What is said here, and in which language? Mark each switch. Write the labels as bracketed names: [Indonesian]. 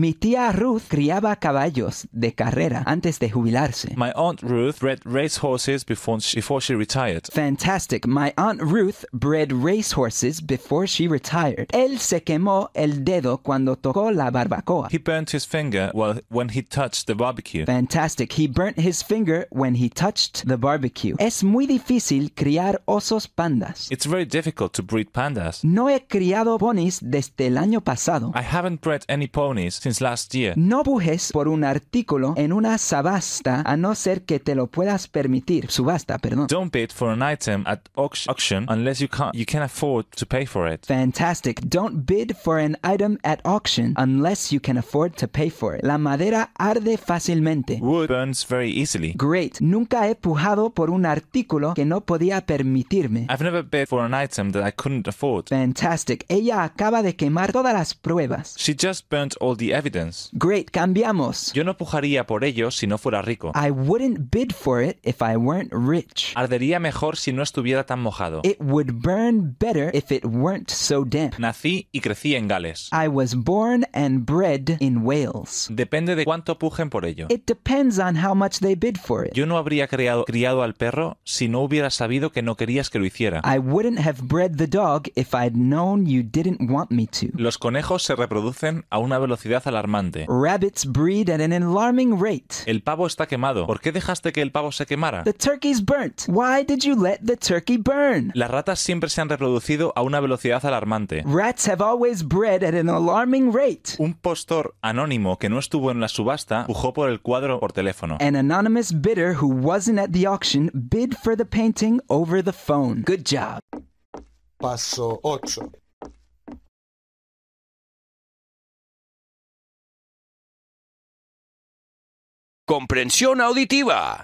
[Spanish] Mi tía Ruth criaba caballos de carrera antes de jubilarse. [English] My aunt Ruth bred racehorses before she retired. Fantastic. My aunt Ruth bred racehorses before she retired. [Spanish] Él se quemó el dedo cuando tocó la barbacoa. [English] He burnt his finger when he touched the barbecue. Fantastic. He burnt his finger when he touched the barbecue. [Spanish] Es muy difícil criar osos pandas. [English] It's very difficult to breed pandas. [Spanish] No he criado criado ponis desde el año pasado. [English] I haven't bred any ponies since last year. [Spanish] No pujes por un artículo en una subasta a no ser que te lo puedas permitir. Subasta, perdón. [English] Don't bid for an item at auction unless you can afford to pay for it. Fantastic. Don't bid for an item at auction unless you can afford to pay for it. [Spanish] La madera arde fácilmente. [English] Wood burns very easily. Great. [Spanish] Nunca he pujado por un artículo que no podía permitirme. [English] I've never bid for an item that I couldn't afford. Fantastic. [Spanish] Ella acaba de quemar todas las pruebas. [English] She just burnt all the evidence. Great. [Spanish] Cambiamos. Yo no pujaría por ello si no fuera rico. [English] I wouldn't bid for it if I weren't rich. [Spanish] Ardería mejor si no estuviera tan mojado. [English] It would burn better if it weren't so damp. [Spanish] Nací y crecí en Gales. [English] I was born and bred in Wales. [Spanish] Depende de cuánto pujen por ello. [English] It depends on how much they bid for it. [Spanish] Yo no habría criado al perro si no hubiera sabido que no querías que lo hiciera. [English] I wouldn't have bred the dog if I'd known you didn't want me to. [Spanish] Los conejos se reproducen a una velocidad alarmante. [English] Rabbits breed at an alarming rate. [Spanish] El pavo está quemado. ¿Por qué dejaste que el pavo se quemara? [English] The turkey's burnt. Why did you let the turkey burn? [Spanish] Las ratas siempre se han reproducido a una velocidad alarmante. [English] Rats have always bred at an alarming rate. [Spanish] Un postor anónimo que no estuvo en la subasta pujó por el cuadro por teléfono. [English] An anonymous bidder who wasn't at the auction bid for the painting over the phone. Good job. [Spanish] Paso 8. Comprensión auditiva.